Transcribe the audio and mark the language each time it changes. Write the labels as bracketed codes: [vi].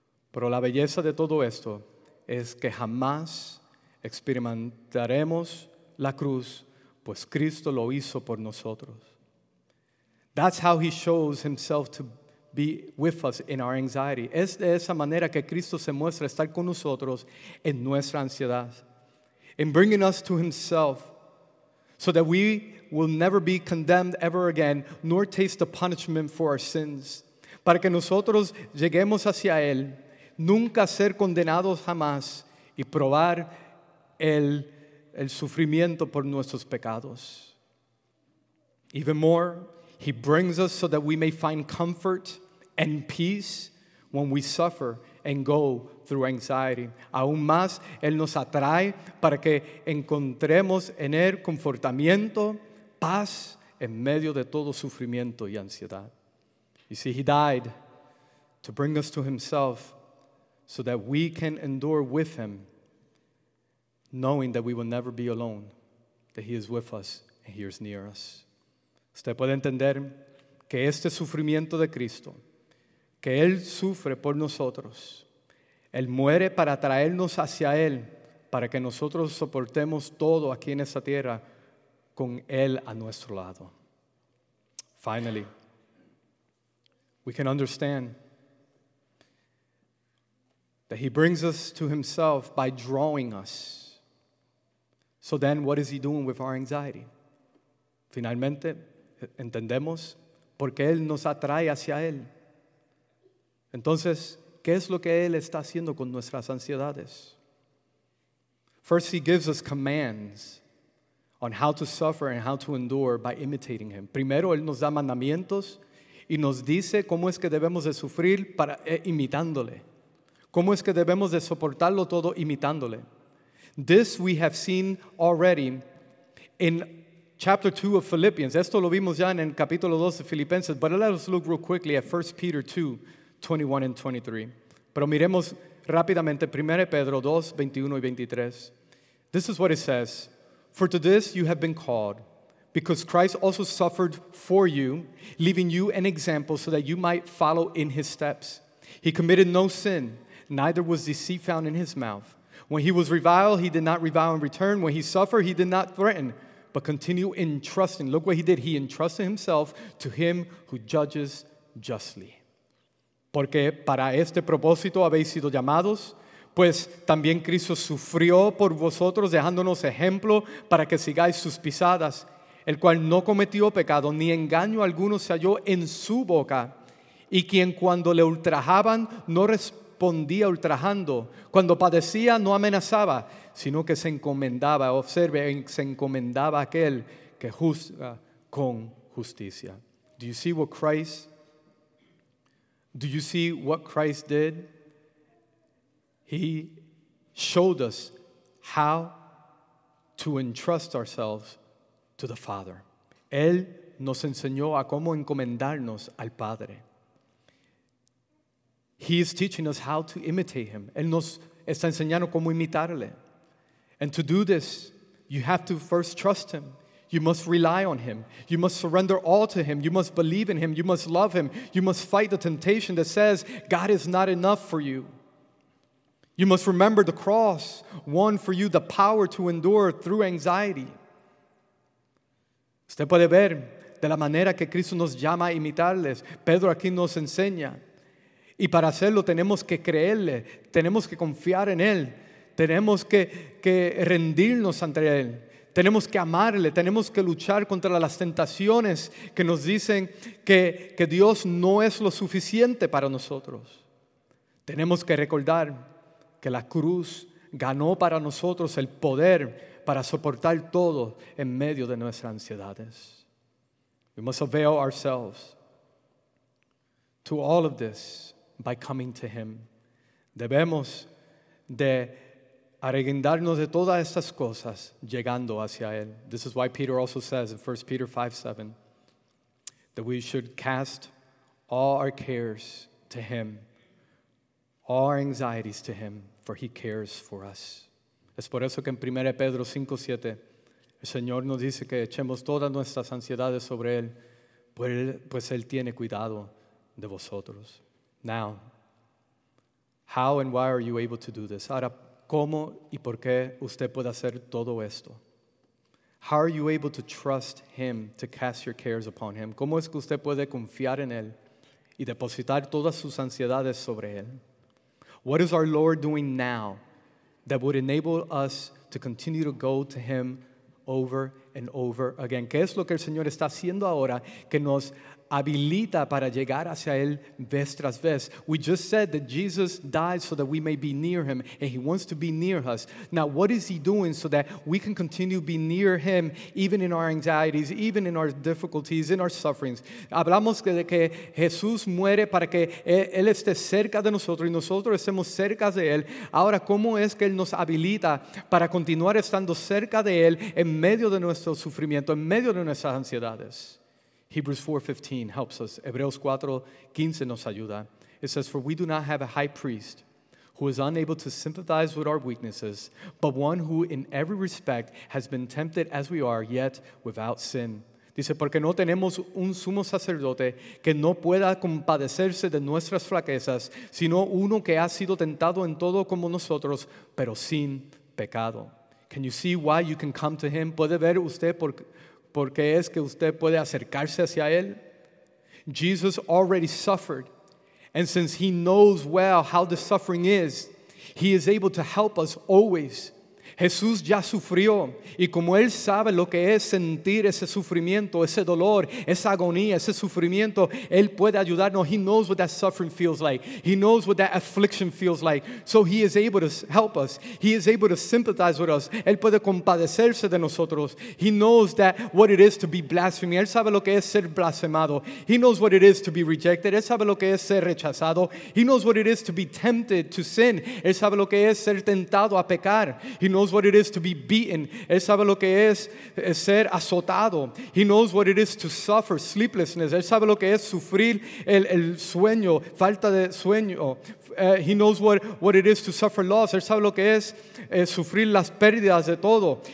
[es] Pero la belleza de todo esto es que jamás experimentaremos la cruz, pues Cristo lo hizo por nosotros. [en] That's how he shows himself to be with us in our anxiety. [es] Es de esa manera que Cristo se muestra estar con nosotros en nuestra ansiedad. [en] In bringing us to himself so that we will never be condemned ever again, nor taste the punishment for our sins. [es] Para que nosotros lleguemos hacia Él, nunca ser condenados jamás y probar el sufrimiento por nuestros pecados. [en] Even more, He brings us so that we may find comfort and peace when we suffer and go through anxiety. [es] Aún más, Él nos atrae para que encontremos en Él confortamiento, paz, en medio de todo sufrimiento y ansiedad. [en] You see, He died to bring us to Himself so that we can endure with Him, knowing that we will never be alone, that He is with us and He is near us. [es] Usted puede entender que este sufrimiento de Cristo, que Él sufre por nosotros, Él muere para traernos hacia Él, para que nosotros soportemos todo aquí en esta tierra con Él a nuestro lado. [en] Finally, we can understand that He brings us to Himself by drawing us. So then, what is He doing with our anxiety? [es] Finalmente, entendemos por qué Él nos atrae hacia Él. Entonces, ¿qué es lo que Él está haciendo con nuestras ansiedades? [en] First, He gives us commands on how to suffer and how to endure by imitating Him. [es] Primero, Él nos da mandamientos y nos dice cómo es que debemos de sufrir para imitándole. Cómo es que debemos de soportarlo todo imitándole. [en] This we have seen already in chapter 2 of Philippians. [es] Esto lo vimos ya en el capítulo 2 de Filipenses. [en] But let us look real quickly at 1 Peter 2, 21 and 23. [es] Pero miremos rápidamente 1 Pedro 2, 21 y 23. [en] This is what it says. For to this you have been called, because Christ also suffered for you, leaving you an example so that you might follow in His steps. He committed no sin, neither was deceit found in His mouth. When He was reviled, He did not revile in return. When He suffered, He did not threaten, but continued entrusting. Look what He did. He entrusted Himself to Him who judges justly. [es] Porque para este propósito habéis sido llamados, pues también Cristo sufrió por vosotros, dejándonos ejemplo para que sigáis sus pisadas, el cual no cometió pecado, ni engaño alguno se halló en su boca, y quien cuando le ultrajaban no respondía ultrajando, cuando padecía no amenazaba, sino que se encomendaba, observe, se encomendaba aquel que juzga con justicia. [en] Do you see what Christ did? He showed us how to entrust ourselves to the Father. [es] Él nos enseñó a cómo encomendarnos al Padre. [en] He is teaching us how to imitate Him. [es] Él nos está enseñando cómo imitarle. [en] And to do this, you have to first trust Him. You must rely on Him. You must surrender all to Him. You must believe in Him. You must love Him. You must fight the temptation that says God is not enough for you. You must remember the cross won for you, the power to endure through anxiety. [es] Usted puede ver de la manera que Cristo nos llama a imitarles. Pedro aquí nos enseña. Y para hacerlo tenemos que creerle. Tenemos que confiar en Él. Tenemos que rendirnos ante Él. Tenemos que amarle. Tenemos que luchar contra las tentaciones que nos dicen que Dios no es lo suficiente para nosotros. Tenemos que recordar que la cruz ganó para nosotros el poder para soportar todo en medio de nuestras ansiedades. [en] We must avail ourselves to all of this by coming to Him. [es] Debemos de arreglarnos de todas estas cosas llegando hacia Él. [en] This is why Peter also says in 1 Peter 5, 7 that we should cast all our cares to Him, all our anxieties to Him, for He cares for us. [es] Es por eso que en 1 Pedro 5, 7 el Señor nos dice que echemos todas nuestras ansiedades sobre Él, pues Él tiene cuidado de vosotros. [en] Now, how and why are you able to do this? [es] Ahora, ¿cómo y por qué usted puede hacer todo esto? [en] How are you able to trust Him, to cast your cares upon Him? [es] ¿Cómo es que usted puede confiar en Él y depositar todas sus ansiedades sobre Él? [en] What is our Lord doing now that would enable us to continue to go to Him over and over again. [es] ¿Qué es lo que el Señor está haciendo ahora que nos habilita para llegar hacia Él vez tras vez? [en] We just said that Jesus died so that we may be near Him, and He wants to be near us. Now, what is He doing so that we can continue to be near Him, even in our anxieties, even in our difficulties, in our sufferings? [es] Hablamos de que Jesús muere para que Él esté cerca de nosotros y nosotros estemos cerca de Él. Ahora, ¿cómo es que Él nos habilita para continuar estando cerca de Él en medio de nuestro sufrimiento, en medio de nuestras ansiedades? [en] Hebrews 4:15 helps us. [es] Hebreos 4:15 nos ayuda. [en] It says, "For we do not have a high priest who is unable to sympathize with our weaknesses, but one who in every respect has been tempted as we are, yet without sin." [es] Dice, porque no tenemos un sumo sacerdote que no pueda compadecerse de nuestras flaquezas, sino uno que ha sido tentado en todo como nosotros, pero sin pecado. [en] Can you see why you can come to Him? [es] ¿Puede ver usted por ¿Por qué es que usted puede acercarse hacia Él? [en] Jesus already suffered. And since He knows well how the suffering is, He is able to help us always. [es] Jesús ya sufrió. Y como Él sabe lo que es sentir ese sufrimiento, ese dolor, esa agonía, ese sufrimiento, Él puede ayudarnos. [en] He knows what that suffering feels like. He knows what that affliction feels like. So He is able to help us. He is able to sympathize with us. [es] Él puede compadecerse de nosotros. [en] He knows that what it is to be blasphemed. [es] Él sabe lo que es ser blasfemado. [en] He knows what it is to be rejected. [es] Él sabe lo que es ser rechazado. [en] He knows what it is to be tempted to sin. [es] Él sabe lo que es ser tentado a pecar. [en] He knows what it is to be beaten. [es] Él sabe lo que es ser azotado. [en] He knows what it is to suffer sleeplessness. [es] Él sabe lo que es sufrir el sueño, falta de sueño. [en] He knows what it is to suffer loss. [es] Él sabe lo que es sufrir las pérdidas de todo.